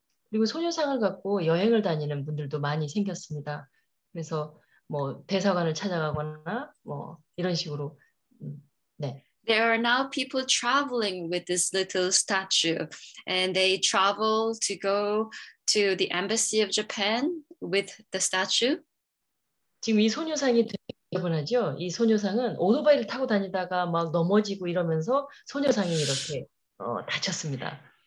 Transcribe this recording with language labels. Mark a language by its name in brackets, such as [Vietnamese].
[Korean] 그리고 소녀상을 갖고 여행을 다니는 분들도 많이 생겼습니다. 그래서 뭐 대사관을 찾아가거나 뭐 이런 식으로 네. [English] There are now people traveling with this little statue, and they travel to go to the embassy of Japan with the statue. [Korean] 지금 이 소녀상이 되게 대단하죠? 이 소녀상은 오토바이를 타고 다니다가 막 넘어지고 이러면서 소녀상이 이렇게 다쳤습니다.